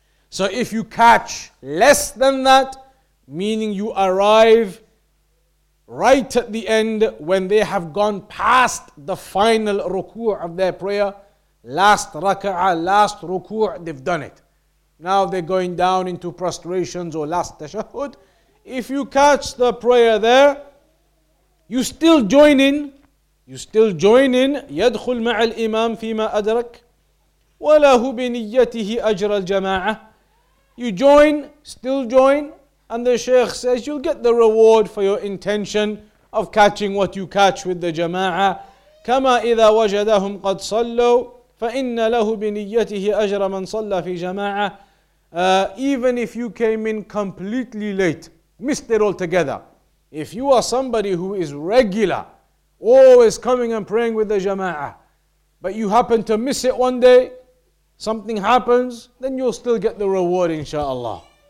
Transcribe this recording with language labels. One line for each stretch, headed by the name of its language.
English: So if you catch less than that, meaning you arrive right at the end when they have gone past the final ruku'ah of their prayer, last raka'ah, last ruku'ah, they've done it. Now they're going down into prostrations or last tashahhud. If you catch the prayer there, you still join in. You still join in.
Arabic: يدخل مع الإمام فيما أدرك وله بنيته أجر الجماعة.
English: You join, still join, and the Shaykh says you'll get the reward for your intention of catching what you catch with the جماعة.
Arabic: كما إذا وجدهم قد صلوا فإن له بنيته أجر من صلى في جماعة.
English: Even if you came in completely late, missed it altogether, if you are somebody who is regular, always coming and praying with the jama'ah, but you happen to miss it one day, something happens, then you'll still get the reward, insha'Allah.